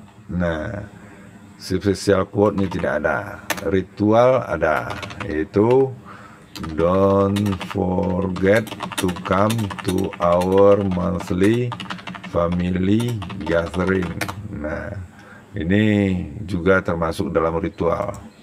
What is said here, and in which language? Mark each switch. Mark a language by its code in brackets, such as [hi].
[id] Nah, special quote-nya tidak ada. Ritual ada. [en] Itu don't forget to come to our monthly family gathering. [id] Nah, ini juga termasuk dalam ritual.